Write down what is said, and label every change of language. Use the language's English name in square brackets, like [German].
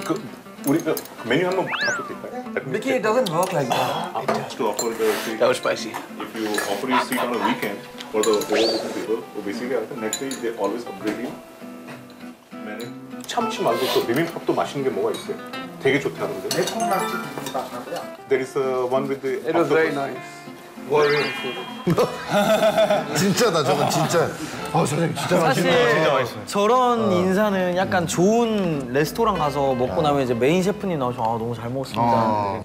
[Korean] 그 우리 그 메뉴 한번 바꿔 드릴까요? [English] Mickey, it doesn't work like that. I'm just to offer the seat. That was spicy. If you offer your seat on a weekend for the whole people, basically the next day they always upgrade you. [Korean] 메뉴. 참치 말고 또 비빔밥도 맛있는 게 뭐가 있어요? 되게 좋다는데. [English] There is one with the. It was very nice. What is it? [Korean] 진짜다, 저건 진짜. 아, 사장님 진짜 맛있네. 사실 저런 인사는 약간 좋은 레스토랑 가서 먹고 나면 이제 메인 셰프님 나와서 아 너무 잘 먹었습니다.